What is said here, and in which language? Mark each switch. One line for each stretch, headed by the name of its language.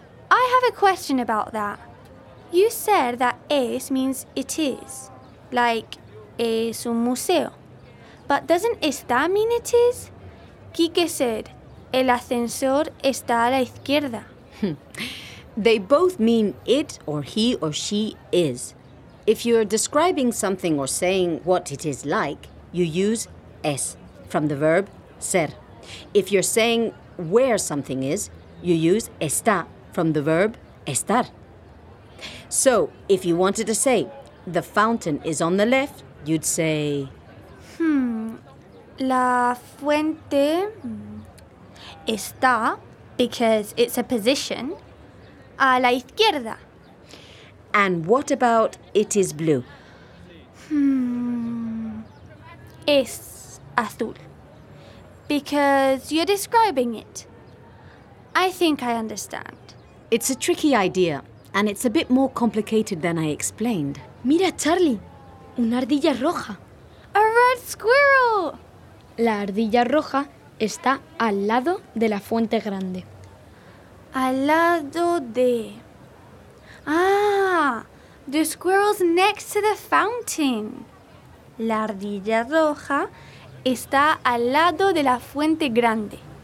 English: I have a question about that. You said that es means it is, like
Spanish: es un museo.
English: But doesn't esta mean it is? Quique said,
Spanish: el ascensor está a la izquierda.
English: They both mean it or he or she is. If you're describing something or saying what it is like, you use es from the verb ser. If you're saying where something is, you use está from the verb estar. So, if you wanted to say the fountain is on the left, you'd say...
Spanish: La fuente está,
English: because it's a position,
Spanish: a la izquierda.
English: And what about it is blue?
Spanish: Es azul.
English: Because you're describing it. I think I understand. It's a tricky idea, and it's a bit more complicated than I explained.
Spanish: Mira, Charlie, una ardilla roja.
English: A red squirrel!
Spanish: La ardilla roja está al lado de la fuente grande. Al lado de...
English: Ah, the squirrel's next to the fountain.
Spanish: La ardilla roja está al lado de la fuente grande.